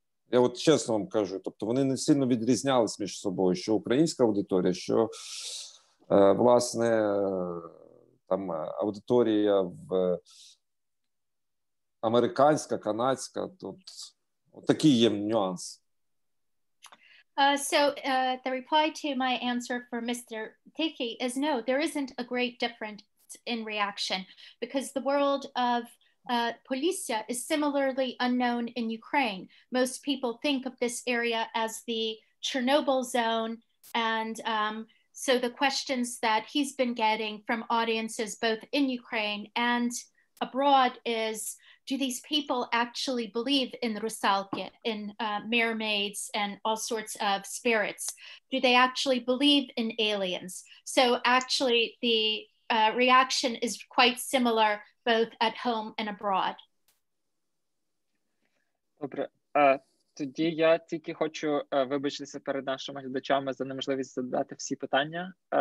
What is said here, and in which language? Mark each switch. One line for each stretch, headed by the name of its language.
Ukrainian: Я от чесно вам кажу, тобто, вони не сильно відрізнялись між собою, що українська аудиторія, що, власне, там, аудиторія американська, канадська, тут... Такий є нюанс.
English: So the reply to my answer for Mr. Tykhyy is no, there isn't a great difference in reaction because the world of Prisia is similarly unknown in Ukraine. Most people think of this area as the Chernobyl zone, and so the questions that he's been getting from audiences both in Ukraine and abroad is, do these people actually believe in the Rusalki, in mermaids and all sorts of spirits? Do they actually believe in aliens? So actually the reaction is quite similar both at home and abroad.
Ukrainian: Добре. Тоді я тільки хочу вибачитися перед нашими глядачами за неможливість задати всі питання.